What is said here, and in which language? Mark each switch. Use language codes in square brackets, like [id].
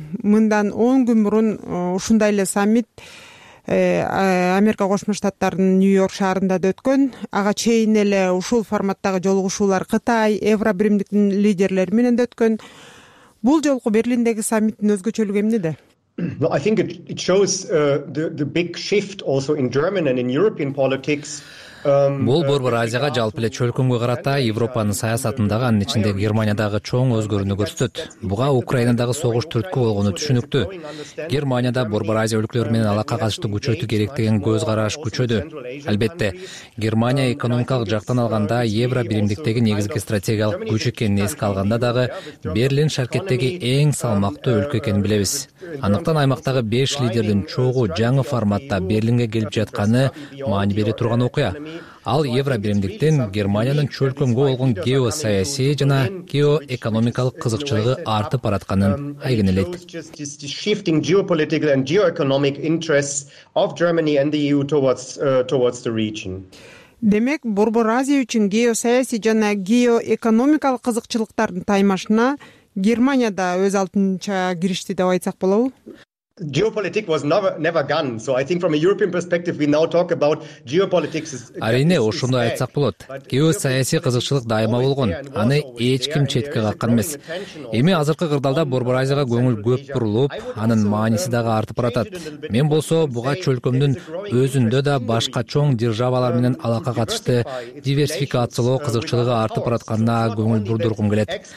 [ky] Мындан 10 күн мурун ушундай эле саммит Америка Кошмо Штаттарынын Нью-Йорк шаарында да өткөн. Ага чейин эле ушул форматтагы жолугушуулар Кытай, Евробиримдиктин лидерлери менен да өткөн. Бул жолку Берлиндеги саммиттин өзгөчөлүгү эмнеде? [en] Well, I think it shows the big shift also in German and in European politics. [ky] Бул Борбор Азияга жалпы эле чөлкөмгө карата Европанын саясатындагы, анын ичинде Германиядагы чоң өзгөрүүнү көрсөтөт. Буга Украинадагы согуш түрткү болгону түшүнүктүү. Германияда Борбор Азия өлкөлөрү менен алака катышты күчөтүү керек деген көз караш күчөдү. Албетте, Германия экономикалык жактан алганда Евробиримдиктеги негизги стратегиялык күч экенин эске алганда дагы Берлин шаркеттеги эң салмактуу өлкө экенин билебиз. Андыктан аймактагы 5 лидердин чогу жаңы форматта Берлинге келип жатканы маани бере турган окуя. Ал Евробиримдиктен Германиянын чөлкөмгө болгон геосаясий жана геоэкономикалык кызыкчылыгы артып баратканын айгинелейт. [en] Shifting geopolitical and geoeconomic interests of Germany and the EU towards the region. [ky] Демек, Борбор Азия үчүн геосаясий жана геоэкономикалык кызыкчылыктардын таймашына Германия да өз алдынча киришти деп айтсак болобу? [en] Geopolitics was never gone. So I think from a European perspective we now talk about geopolitics is [ky] Арине ошондой айтсак болот. Геосаясий кызыкчылык дайыма болгон. Аны эч ким четке каккан эмес. Эми азыркы кырдаалда Борбор Азияга көңүл көп бурулуп, анын мааниси дагы артып баратат. Мен болсо буга чөлкөмдүн өзүндө да башка чоң державалар менен алака катышты диверсификациялоо кызыкчылыгы артып баратканына көңүл бурдургум келет.